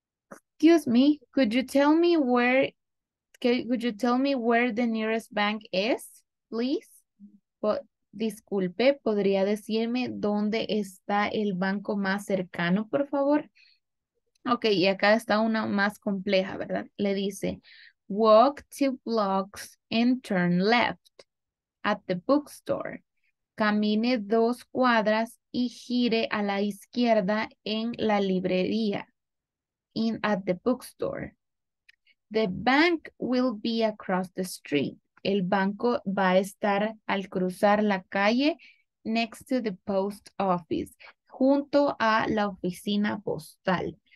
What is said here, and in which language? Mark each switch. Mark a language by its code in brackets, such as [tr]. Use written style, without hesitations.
[en] Excuse me, could you tell me where the nearest bank is, please? [es] Disculpe, ¿podría decirme dónde está el banco más cercano, por favor? Ok, y acá está una más compleja, ¿verdad? Le dice, [en] walk two blocks and turn left at the bookstore. [es] Camine dos cuadras y gire a la izquierda en la librería. [en] In at the bookstore. The bank will be across the street. [es] El banco va a estar al cruzar la calle [en] next to the post office, [es] junto a la oficina postal.